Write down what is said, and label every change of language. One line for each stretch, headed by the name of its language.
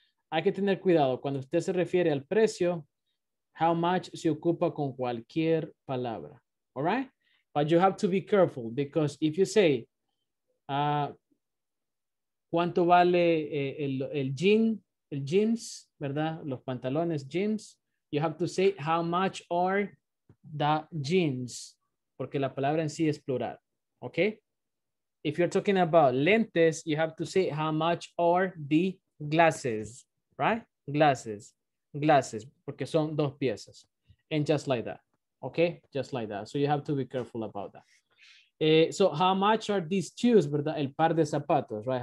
Spanish: Hay que tener cuidado. Cuando usted se refiere al precio, how much se ocupa con cualquier palabra. All right?
English: But you have to be careful, because if you say,
Spanish: ¿cuánto vale el jeans, verdad? Los pantalones, jeans.
English: You have to say, how much are the jeans?
Spanish: Porque la palabra en sí es plural, okay?
English: If you're talking about lentes, you have to say, how much are the glasses, right?
Spanish: Glasses, porque son dos piezas.
English: And just like that. Okay, just like that. So you have to be careful about that. So how much are these shoes, verdad?
Spanish: El par de zapatos,
English: right?